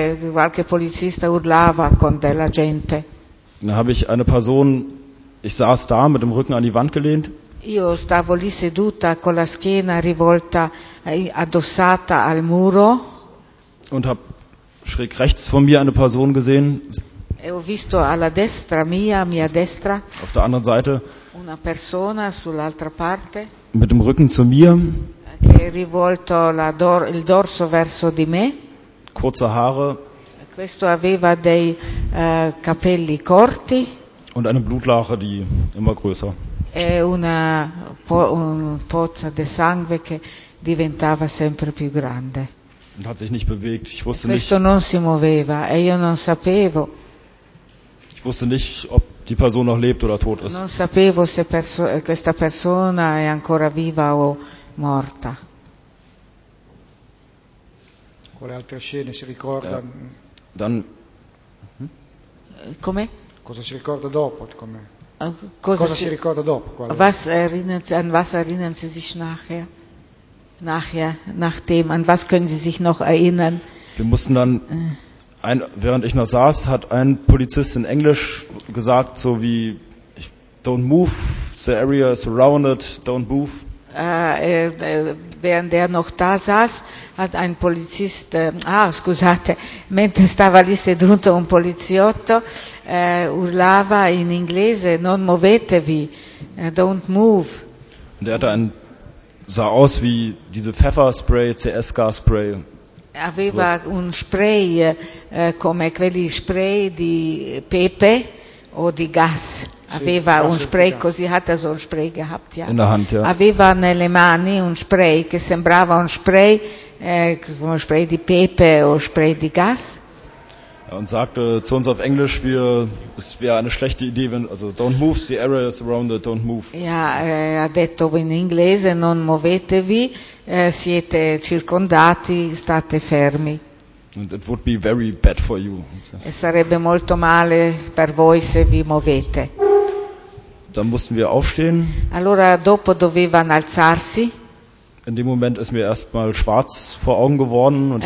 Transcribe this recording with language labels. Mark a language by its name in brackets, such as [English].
[Italian] Qualche polizista urlava con della gente. [German] Dann habe ich eine Person, ich saß da mit dem Rücken an die Wand gelehnt. [Italian] Io stavo lì seduta con la schiena rivolta addossata al muro. [German] Und habe schräg rechts von mir eine Person gesehen. [Italian] E ho visto alla destra mia destra. [German] Auf der anderen Seite. [Italian] Una persona sull'altra parte. [German] Mit dem Rücken zu mir. [Italian] Che rivolto il dorso verso di me. [German] Kurze Haare. [Italian] Questo aveva dei capelli corti. [German] Und eine Blutlache, die immer größer. [Italian] E una pozza di sangue che diventava sempre più grande. [German] Und hat sich nicht bewegt. Ich wusste nicht. [Italian] Questo non si muoveva e io non sapevo. [German] Ich wusste nicht, ob die Person noch lebt oder tot ist. [Italian] Non sapevo se questa persona è ancora viva o morta. Quale altre scene si ricorda? [German] Dann, [Italian] come? Cosa si ricorda dopo? Cosa si ricorda dopo? [German] An was erinnern Sie sich nachher? Nachdem, an was können Sie sich noch erinnern? Wir mussten dann, während ich noch saß, hat ein Polizist in Englisch gesagt, so wie, [English] don't move, the area is surrounded, don't move. [German] Während er noch da saß, hat ein Polizist, [Italian] scusate, mentre stava lì seduto un poliziotto, urlava in inglese, non muovetevi, [English] don't move. [German] Und er hatte sah aus wie diese Pfefferspray, CS-Gas-Spray. [Italian] Aveva [German] sowas. [Italian] Un spray, come quelli spray di pepe o di gas. Aveva un spray così, [German] hat er so ein Spray gehabt, ja. In der Hand, ja. [Italian] Aveva nelle mani un spray che sembrava un spray, come spray di pepe o spray di gas. [German] Ja, und sagte zu uns auf Englisch, es wäre eine schlechte Idee, wenn, also [English] don't move, the area is around it, don't move. [Italian] Ja, ha detto in inglese, non muovetevi, siete circondati, state fermi. [English] And it would be very bad for you. [Italian] E sarebbe molto male per voi se vi muovete. [German] Dann mussten wir aufstehen. [Italian] Allora dopo dovevano alzarsi. [German] In dem Moment ist mir erstmal schwarz vor Augen geworden und